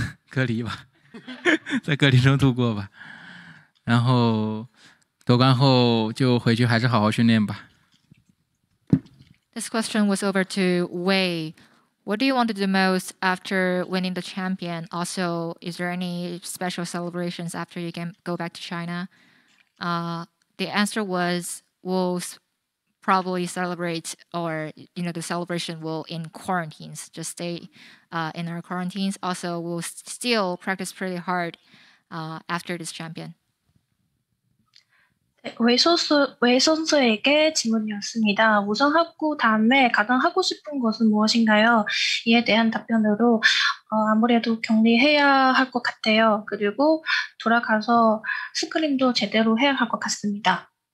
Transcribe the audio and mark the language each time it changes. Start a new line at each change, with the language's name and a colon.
Chinese: 隔离吧，在隔离中度过吧。然后夺冠后就回去，还是好好训练吧。
English: This question was over to Wei. What do you want to do most after winning the champion? Also, is there any special celebrations after you can go back to China? The answer was, we'll probably celebrate, or you know, the celebration will in quarantines. Just stay in our quarantines. Also, we'll still practice pretty hard after this champion.
Korean: 외선수에게 질문이었습니다. 우선 학구 다음에 가장 하고 싶은 것은 무엇인가요? 이에 대한 답변으로 아무래도 격리해야 할 것 같아요. 그리고 돌아가서 스크림도 제대로 해야 할 것 같습니다.